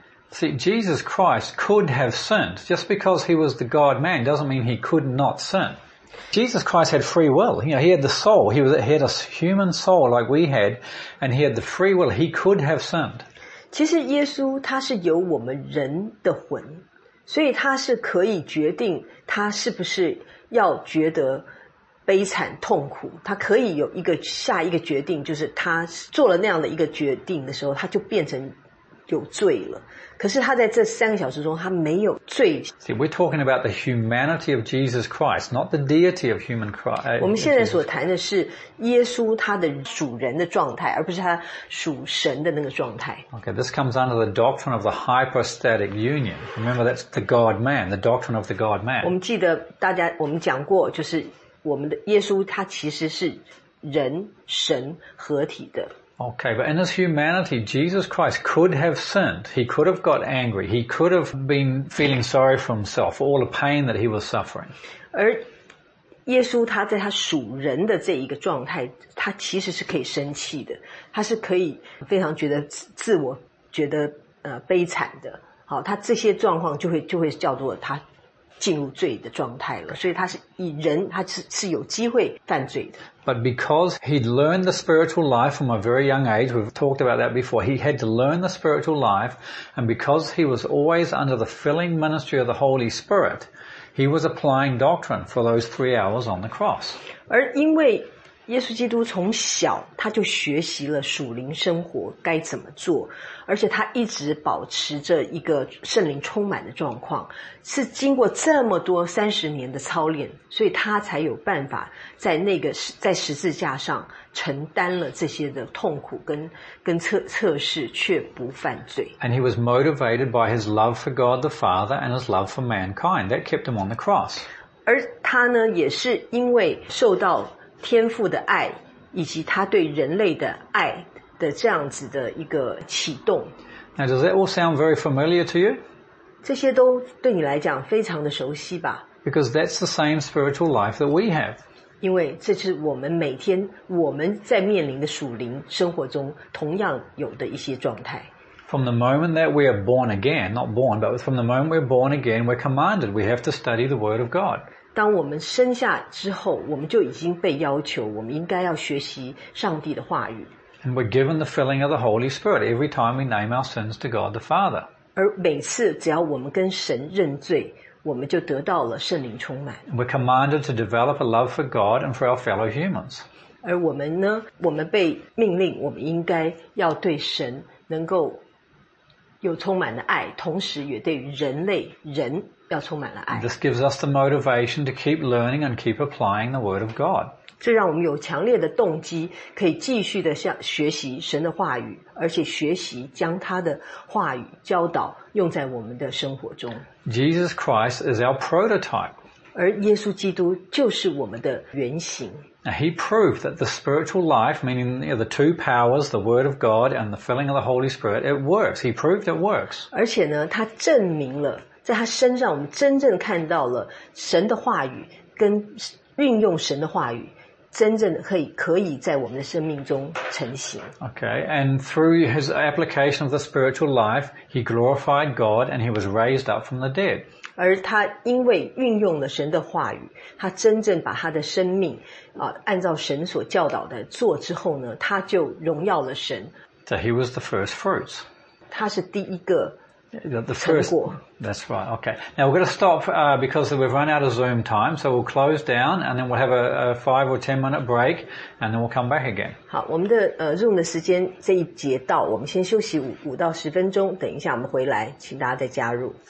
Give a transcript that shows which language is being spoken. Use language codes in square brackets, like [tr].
[en] See, Jesus Christ could have sinned. Just because he was the God-man doesn't mean he could not sin. Jesus Christ had free will. You know, he had the soul. He had a human soul like we had, and he had the free will. He could have sinned. [zh] 其实耶稣他是有我们人的魂，所以他是可以决定他是不是要觉得悲惨痛苦，他可以有一个下一个决定，就是他做了那样的一个决定的时候，他就变成有罪了。可是他在这三个小时中，他没有罪。 [en] See, we're talking about the humanity of Jesus Christ, not the deity of human Christ. [zh] 我们现在所谈的是耶稣他的属人的状态，而不是他属神的那个状态。 [en] Okay, this comes under the doctrine of the hypostatic union. Remember, that's the God-man, the doctrine of the God-man. [zh] 我们记得大家，我们讲过，就是我们的耶稣他其实是人神合体的。 [en] Okay, but in his humanity, Jesus Christ could have sinned. He could have got angry. He could have been feeling sorry for himself, for all the pain that he was suffering. [zh] 而耶稣他在他属人的这一个状态，他其实是可以生气的，他是可以非常觉得自我觉得悲惨的。好，他这些状况就会叫做他进入罪的状态了，所以他是以人，他 是有机会犯罪的。 [en] But because he'd learned the spiritual life from a very young age, we've talked about that before, he had to learn the spiritual life, and because he was always under the filling ministry of the Holy Spirit, he was applying doctrine for those 3 hours on the cross. [zh] 而因为耶稣基督从小他就学习了属灵生活该怎么做，而且他一直保持着一个圣灵充满的状况，是经过这么多30年的操练，所以他才有办法在那个在十字架上承担了这些的痛苦跟测试，却不犯罪。 [en] And he was motivated by his love for God the Father and his love for mankind that kept him on the cross. [zh] 而他呢，也是因为受到天父的爱以及他对人类的爱的这样子的一个启动。 [en] Now does that all sound very familiar to you? [zh] 这些都对你来讲非常的熟悉吧。 [en] Because that's the same spiritual life that we have. [zh] 因为这是我们每天我们在面临的属灵生活中同样有的一些状态。 [en] From the moment that we are born again, not born, but from the moment we're born again, we're commanded, we have to study the word of God. [zh] 当我们生下之后，我们就已经被要求，我们应该要学习上帝的话语。 [en] And we're given the filling of the Holy Spirit every time we name our sins to God the Father. [zh] 而每次只要我们跟神认罪，我们就得到了圣灵充满。 [en] We're commanded to develop a love for God and for our fellow humans. [zh] 而我们呢，我们被命令，我们应该要对神能够有充满的爱，同时也对人类人。要充满了爱。 [en] This gives us the motivation to keep learning and keep applying the word of God. [zh] 这让我们有强烈的动机可以继续的向学习神的话语，而且学习将他的话语教导用在我们的生活中。 [en] Jesus Christ is our prototype. [zh] 而耶稣基督就是我们的原型。 [en] Now he proved that the spiritual life, meaning the two powers, the word of God and the filling of the Holy Spirit, it works. He proved it works. [zh] 而且呢，他证明了在他身上我们真正看到了神的话语跟运用神的话语真正可以在我们的生命中成型。 [en] Okay, and through his application of the spiritual life, he glorified God and he was raised up from the dead. [zh] 而他因为运用了神的话语，他真正把他的生命按照神所教导的做之后呢，他就荣耀了神。 [en] So he was the first fruits. [zh] 他是第一个 [en] The first, that's right, okay. Now we're going to stop, because we've run out of Zoom time, so we'll close down and then we'll have a 5 or 10 minute break and then we'll come back again. [zh] 好，我们的Zoom 的时间这一节到，我们先休息5到10分钟，等一下我们回来，请大家再加入。